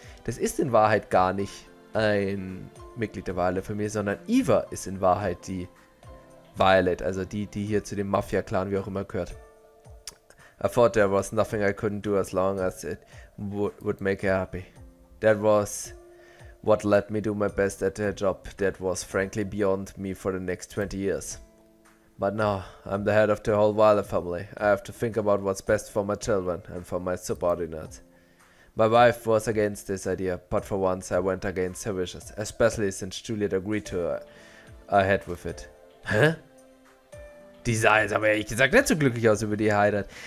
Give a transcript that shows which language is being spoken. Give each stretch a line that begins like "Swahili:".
German: Das ist in Wahrheit gar nicht ein Mitglied der Violet Familie, sondern Eva ist in Wahrheit die Violet, also die, die hier zu dem Mafia-Clan, wie auch immer, gehört.
English: I thought there was nothing I couldn't do as long as it would make her happy. That was what let me do my best at a job that was frankly beyond me for the next 20 years. But now, I'm the head of the whole Violet family. I have to think about what's best for my children and for my subordinates. My wife was against this idea, but for once I went against her wishes, especially since Juliet agreed to ahead with it. Hä?
German: Die sah jetzt aber ehrlich gesagt nicht so glücklich aus über die Heirat.